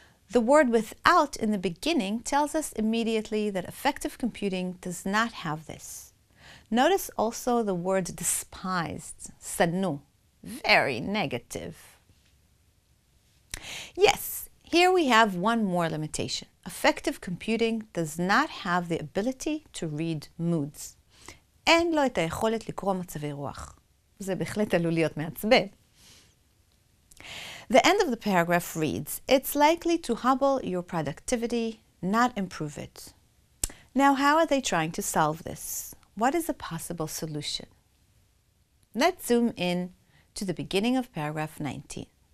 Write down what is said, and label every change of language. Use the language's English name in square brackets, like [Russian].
[English] The word without in the beginning tells us immediately that effective computing does not have this. Notice also the word despised, sanu, very negative. Yes, here we have one more limitation. Effective computing does not have the ability to read moods. [Hebrew] אין לו את היכולת לקרוא מצבי רוח. זה בהחלט עלול להיות מעצבן. [English] The end of the paragraph reads, "It's likely to hobble your productivity, not improve it." Now, how are they trying to solve this? What is a possible solution? Let's zoom in to the beginning of paragraph 19.